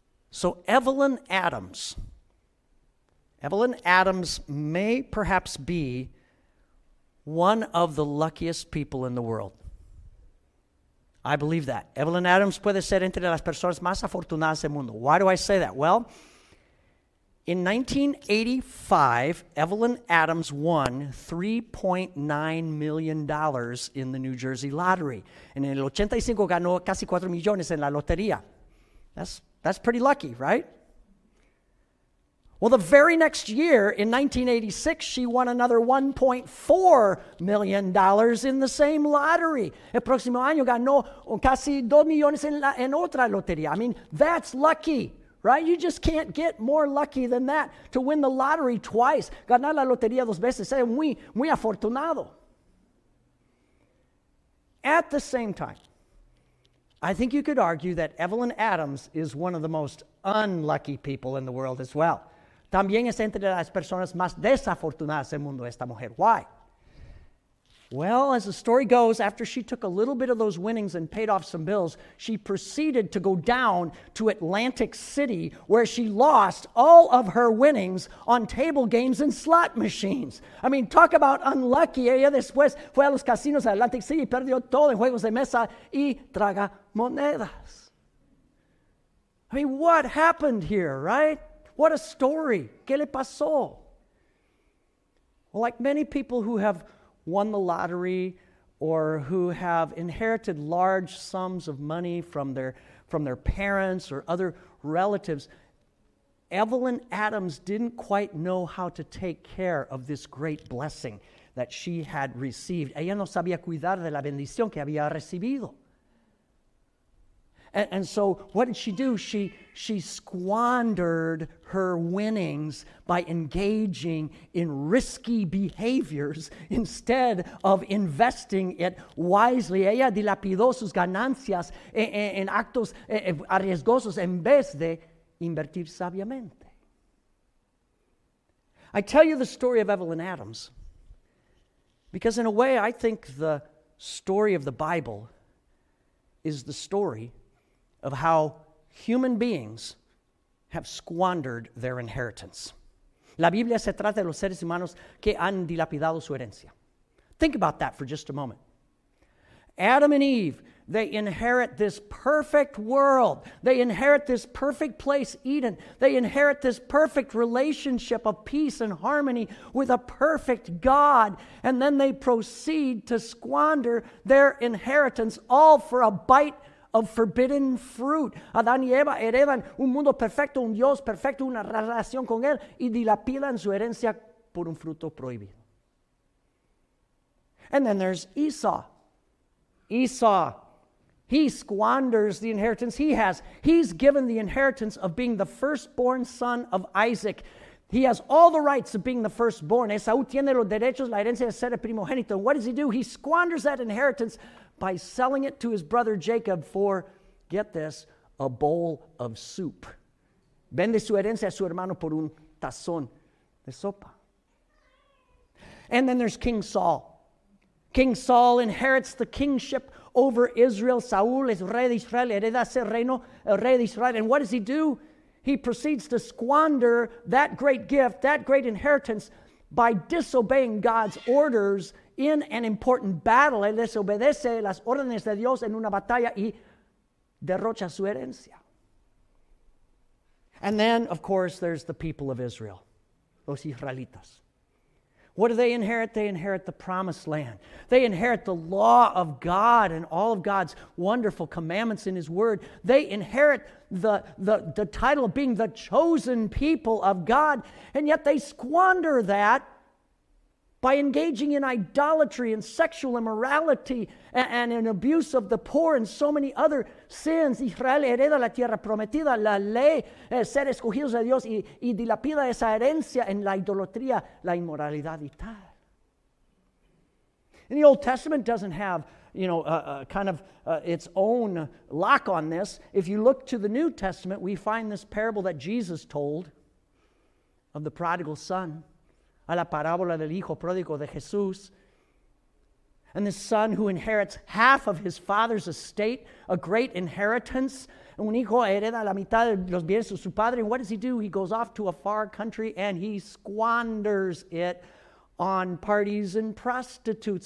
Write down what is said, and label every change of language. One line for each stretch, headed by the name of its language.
English: So Evelyn Adams may perhaps be one of the luckiest people in the world. I believe that.
Spanish: Evelyn Adams puede ser entre las personas más afortunadas del mundo.
English: Why do I say that? Well, in 1985, Evelyn Adams won $3.9 million in the New Jersey lottery. And in
Spanish: el 85 ganó casi 4 millones en la lotería.
English: That's pretty lucky, right? Well, the very next year, in 1986, she won another $1.4 million in the same lottery.
Spanish: El próximo año ganó casi 2 millones en otra lotería.
English: I mean, that's lucky, right? You just can't get more lucky than that to win the lottery twice.
Spanish: Ganar la lotería dos veces es muy, muy afortunado.
English: At the same time, I think you could argue that Evelyn Adams is one of the most unlucky people in the world as well.
Spanish: También es entre las personas más desafortunadas del mundo esta mujer.
English: Why? Well, as the story goes, after she took a little bit of those winnings and paid off some bills, she proceeded to go down to Atlantic City, where she lost all of her winnings on table games and slot machines. I mean, talk about unlucky.
Spanish: Ella después fue a los casinos de Atlantic City, perdió todo en juegos de mesa y traga monedas.
English: I mean, what happened here, right? What a story.
Spanish: ¿Qué le pasó?
English: Well, like many people who have won the lottery or who have inherited large sums of money from their parents or other relatives, Evelyn Adams didn't quite know how to take care of this great blessing that she had received.
Spanish: Ella no sabía cuidar de la bendición que había recibido.
English: And so what did she do? She squandered her winnings by engaging in risky behaviors instead of investing it wisely.
Spanish: Ella dilapidó sus ganancias en actos arriesgosos en vez de invertir sabiamente.
English: I tell you the story of Evelyn Adams because in a way I think the story of the Bible is the story of how human beings have squandered their inheritance.
Spanish: La Biblia se trata de los seres humanos que han dilapidado su herencia.
English: Think about that for just a moment. Adam and Eve, they inherit this perfect world. They inherit this perfect place, Eden. They inherit this perfect relationship of peace and harmony with a perfect God. And then they proceed to squander their inheritance all for a bite of forbidden fruit.
Spanish: Adán y Eva heredan un mundo perfecto, un Dios perfecto, una relación con Él, y dilapidan su herencia por un fruto prohibido.
English: And then there's Esau. Esau, he squanders the inheritance he has. He's given the inheritance of being the firstborn son of Isaac. He has all the rights of being the firstborn.
Spanish: Esau tiene los derechos, la herencia de ser el primogénito.
English: What does he do? He squanders that inheritance by selling it to his brother Jacob for, get this, a bowl of soup.
Spanish: Vende su herencia a su hermano por un tazón de sopa.
English: And then there's King Saul. King Saul inherits the kingship over Israel.
Spanish: Saul es rey de Israel, hereda ese reino, el rey de Israel.
English: And what does he do? He proceeds to squander that great gift, that great inheritance, by disobeying God's orders in an important battle.
Spanish: Él desobedece las órdenes de Dios en una batalla y derrocha su herencia.
English: And then, of course, there's the people of Israel,
Spanish: los israelitas.
English: What do they inherit? They inherit the promised land. They inherit the law of God and all of God's wonderful commandments in His Word. They inherit the title of being the chosen people of God, and yet they squander that by engaging in idolatry and sexual immorality and an abuse of the poor and so many other sins.
Spanish: Israel hereda la tierra prometida, la ley, ser escogidos de Dios y dilapida esa herencia en la idolatría, la inmoralidad y tal.
English: And the Old Testament doesn't have, you know, its own lock on this. If you look to the New Testament, we find this parable that Jesus told of the prodigal son.
Spanish: A la parábola del hijo pródigo de Jesús.
English: And the son who inherits half of his father's estate, a great inheritance.
Spanish: Un hijo hereda la mitad de los bienes de su padre.
English: And what does he do? He goes off to a far country and he squanders it on parties and prostitutes.